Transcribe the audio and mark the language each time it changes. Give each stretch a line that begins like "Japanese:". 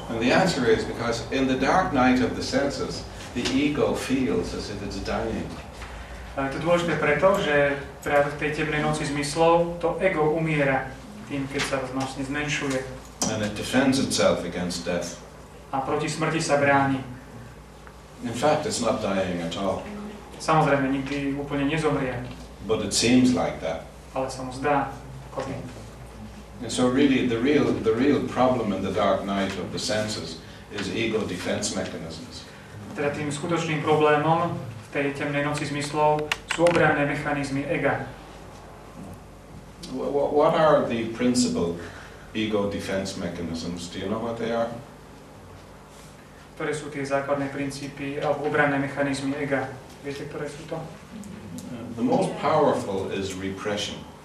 English: And the answer is because in the dark night of the senses, the ego feels as if it's dying.
Slovak: Je to dôležité preto, že práve v tej temnej noci zmyslov to ego umiera tým, keď sa vlastne zmenšuje.
English: And it defends itself against death.
Slovak: A proti smrti sa bráni.
English: In fact, it's not dying at all.
Slovak: Samozrejme, nikdy úplne nezomrie.
English: But it seems like that.
Slovak: Ale sa mu zdá, ako by.
English: And so really, the real problem in the dark night of the senses is ego defense mechanisms.
Slovak: Teda tým skutočným problémom v tej temnej noci zmyslov sú obranné mechanizmy ega.
English: What are the principal ego defense mechanisms? Do you know what they are?
Slovak: Ktoré sú tie základné princípy alebo obranné mechanizmy ega? Viete, ktoré sú to?
English: The most powerful is repression.